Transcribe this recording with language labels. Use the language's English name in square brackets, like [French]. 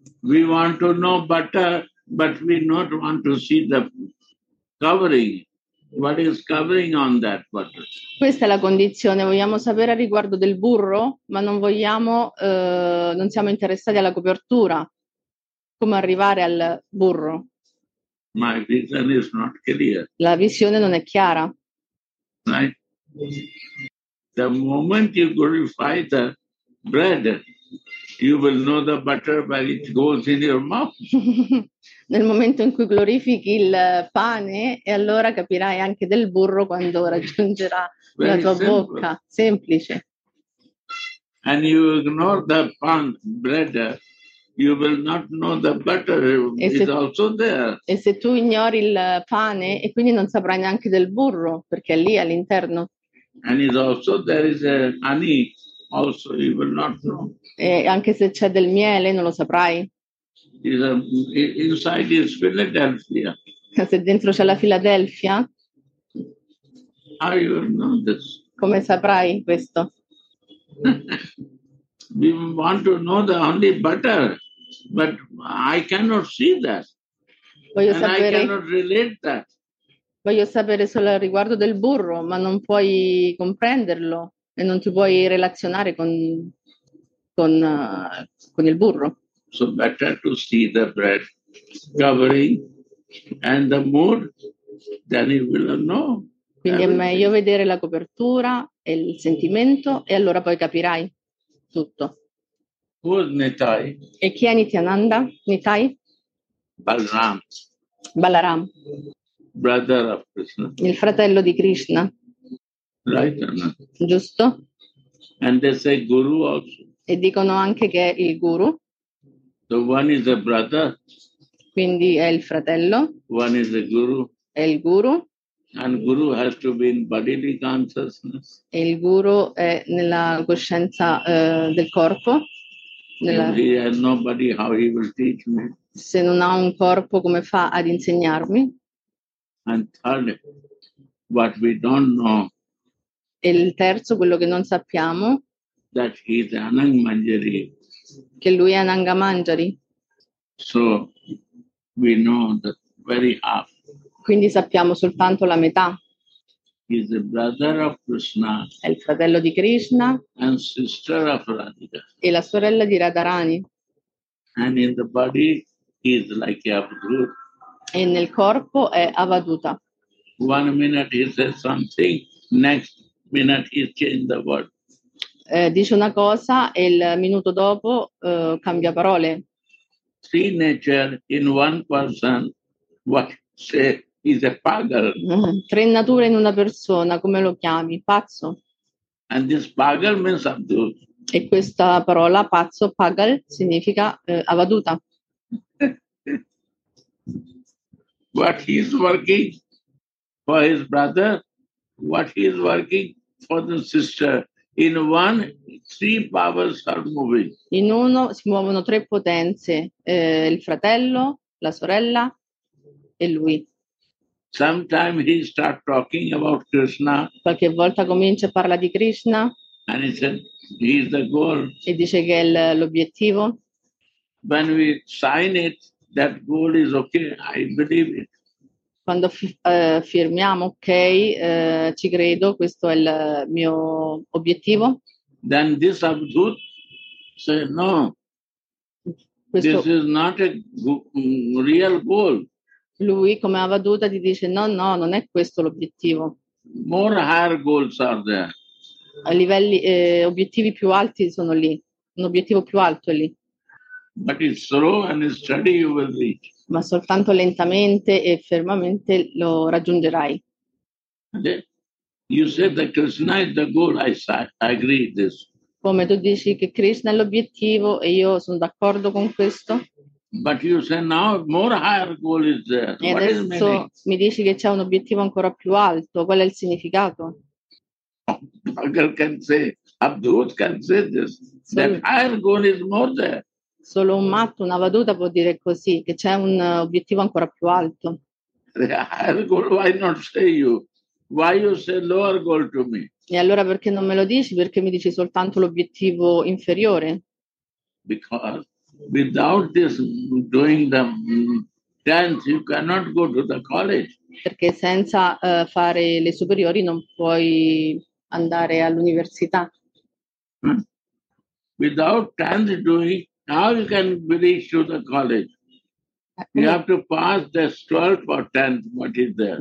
[English] We want to know butter, but we not want to see the covering. What is covering on that butter? [Italian] Questa è la condizione. Vogliamo sapere riguardo del burro, ma non vogliamo, non siamo interessati alla copertura. Come arrivare al burro? [English] My vision is not clear. [Italian] La visione non è chiara. [English] Right? The moment you glorify the bread, you will know the butter when it goes in your mouth. [Italian] Nel momento in cui glorifichi il pane, e allora capirai anche del burro quando raggiungerà la tua bocca. Semplice. [English] And you ignore the pan bread, you will not know the butter is also there. [Italian] E se tu ignori il pane, e quindi non saprai neanche del burro, perché è lì all'interno. [English] And is also there is a honey. Also, you will not know. [Italian] E anche se c'è del miele, non lo saprai. [English] Inside is Philadelphia. [Italian] Se dentro c'è la Filadelfia. [English] How you will know this? [Italian] Come saprai questo? [English] We want to know the only butter, but I cannot see that. [Italian] Voglio [English] and [Italian] sapere... [English] I cannot relate that. [Italian] Voglio sapere solo riguardo del burro, ma non puoi comprenderlo. E non ti puoi relazionare con il burro. [English] So better to see the bread covering and the more than you will know. [Italian] Quindi è meglio vedere la copertura e il sentimento e allora poi capirai tutto. [English] Who is Nitai? [Italian] E chi è Nityananda? Nitai? [English] Balaram. [Italian] Balaram. [English] Brother of Krishna. [Italian] Il fratello di Krishna. [English] Right, [Italian] giusto? [English] And they say guru also. [Italian] E dicono anche che è il guru. [English] So one is a brother. [Italian] Quindi è il fratello. [English] One is a guru. [Italian] È il guru. [English] And guru has to be in bodily consciousness. [Italian] E il guru è nella coscienza del corpo. Nella... [English] He has nobody, how he will teach me. [Italian] Se non ha un corpo, come fa ad insegnarmi? [English] And third, what we don't know. [Italian] E il terzo, quello che non sappiamo, [English] that he is Anang Manjari. [Italian] Che lui è Ananga Manjari. [English] So we know that very half. [Italian] Quindi sappiamo soltanto la metà. [English] He is the brother of Krishna. [Italian] È il fratello di Krishna. [English] And sister of Radhika. [Italian] E la sorella di Radharani. [English] And in the body he is like Avadhuta. [Italian] E nel corpo è Avaduta. [English] One minute he says something, next minute he changed the word. [Italian] Dice una cosa e il minuto dopo cambia parole. [English] Three nature in one person, what say is a pagal. [Italian] Tre nature in una persona, come lo chiami? Pazzo. [English] And this pagal means avaduta. [Italian] E questa parola pazzo, pagal, significa avaduta. [English] What he is working for his brother, what he is working for the sister. In one, three powers are moving. [Italian] In uno si muovono tre potenze, il fratello, la sorella e lui. [English] Sometimes he start talking about Krishna. [Italian] Qualche volta comincia a parlare di Krishna. [English] And he said, he is the goal. [Italian] E dice che è l'obiettivo. [English] When we sign it, that goal is okay, I believe it. [Italian] Quando firmiamo, ok, ci credo, questo è il mio obiettivo. [English] Then this avadhut say no, [Italian] questo, [English] this is not a real goal. [Italian] Lui come avaduta ti dice no, no, non è questo l'obiettivo. [English] More higher goals are there. [Italian] A livelli, obiettivi più alti sono lì, un obiettivo più alto è lì. [English] But it's slow and it's steady you will reach. [Italian] Ma soltanto lentamente e fermamente lo raggiungerai. [English] You said that Krishna is the goal, I agree with this. [Italian] Come tu dici che Krishna è l'obiettivo e io sono d'accordo con questo. [English] But you say now more higher goal is there. [Italian] E adesso mi dici che c'è un obiettivo ancora più alto, qual è il significato? [English] Bhagal can say, Abdhut can say this, that higher goal is more there. [Italian] Solo un matto, una avaduta può dire così, che c'è un obiettivo ancora più alto. [English] Why not say you? Why you say lower goal to me? [Italian] E allora perché non me lo dici? Perché mi dici soltanto l'obiettivo inferiore? [English] Because without this doing the dance you cannot go to the college. [Italian] Perché senza fare le superiori non puoi andare all'università. [English] Without dance doing, how you can reach to the college? You have to pass the 12th or 10th, what is there?